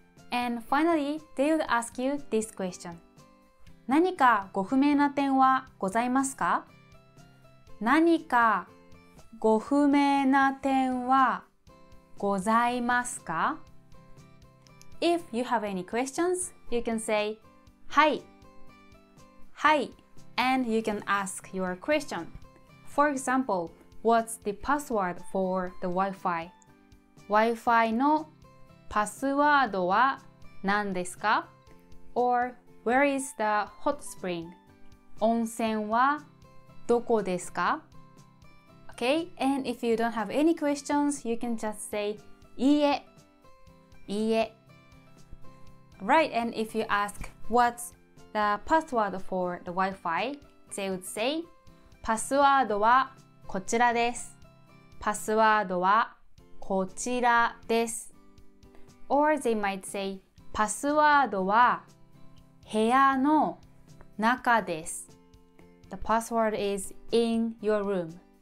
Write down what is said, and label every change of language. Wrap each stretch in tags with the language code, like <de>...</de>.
<en>And finally, they would ask you this question.</en> <ja>何かご不明な点はございますか?何かご不明な点はございますか?</ja> <en>If you have any questions, you can say</en> <ja>はい。はい。</ja> <en>And you can ask your question. For example, what's the password for the Wi-Fi?</en> <ja>Wi-Fi のパスワードは何ですか?</ja> <en>Or,Where is the hot spring?</en> <ja>温泉はどこですか?</ja> <en>Okay, and if you don't have any questions, you can just say,</en> <ja>いいえ。いいえ。</ja> <en>Right, and if you ask, what's the password for the Wi-Fi? They would say,</en> <ja>パスワードはこちらです。パスワードはこちらです。</ja> <en>Or they might say,</en> <ja>パスワードは部屋の中です。</ja> <en>The password is in your room.</en>